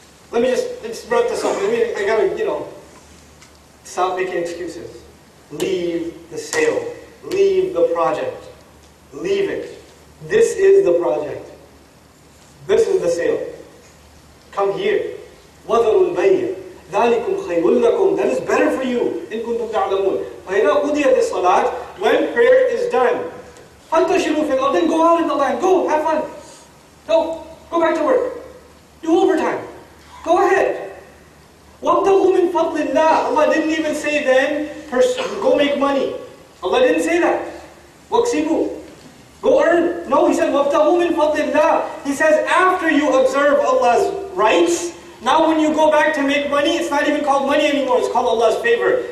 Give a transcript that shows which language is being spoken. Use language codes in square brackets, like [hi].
[en] Let me just wrap this up. I gotta stop making excuses. Leave the sale. Leave the project. Leave it. This is the project. This is the sale. Come here. [ar] وَذَرُوا الْبَيْعَ ذَلِكُمْ خَيْرٌ لَكُمْ [en] That is better for you. [ar] إِن كُنْتُمْ تَعْلَمُونَ فَإِذَا أُدِيَ الصَّلَاةُ [en] When prayer is done. [ar] فَانْتَشِرُوا فِي الْأَرْضِ [en] Then go out in the land. Go, have fun. No, go back to work. Do overtime. Go ahead. [ar] وَابْتَغُوا مِنْ فَضْلِ اللَّهِ [en] Allah didn't even say then, go make money. Allah didn't say that. [ar] وَاكْسِبُوا [en] Go earn. No, He said, [ar] وَابْتَغُوا مِنْ فَضْلِ اللَّهِ [en] He says, after you observe Allah's rights, now when you go back to make money, it's not even called money anymore, it's called Allah's favor.